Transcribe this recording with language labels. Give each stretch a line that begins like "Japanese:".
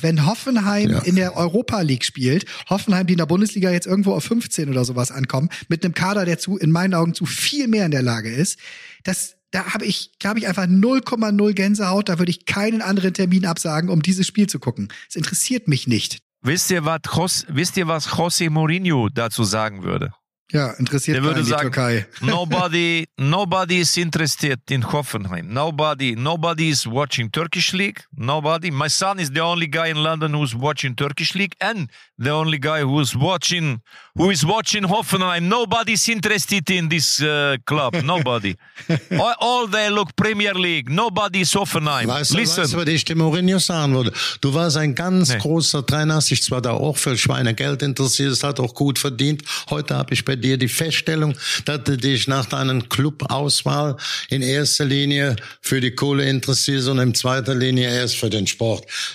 German: Wenn Hoffenheim in der Europa League spielt, Hoffenheim, die in der Bundesliga jetzt irgendwo auf 15 oder sowas ankommen, mit einem Kader, der in meinen Augen zu viel mehr in der Lage ist, da habe ich einfach 0,0 Gänsehaut. Da würde ich keinen anderen Termin absagen, um dieses Spiel zu gucken. Es interessiert mich nicht. Wisst ihr, was José Mourinho dazu sagen würde? Ja, interessiert mich in die Türkei.
English: Nobody is interested in Hoffenheim. Nobody is watching Turkish League. Nobody. My son is the only guy in London who's watching Turkish League and the only guy who is watching Hoffenheim. Nobody is interested in this club. Nobody. All they look Premier League. Nobody is Hoffenheim.
German: Weißt du, was ich dem Mourinho sagen würde? Du warst ein ganz großer Trainer, hast dich zwar da auch für Schweinegeld interessiert, hat auch gut verdient. Heute habe ich bei dir die Feststellung, dass du dich nach deinem Club-Auswahl in erster Linie für die Kohle interessierst und in zweiter Linie erst für den Sport.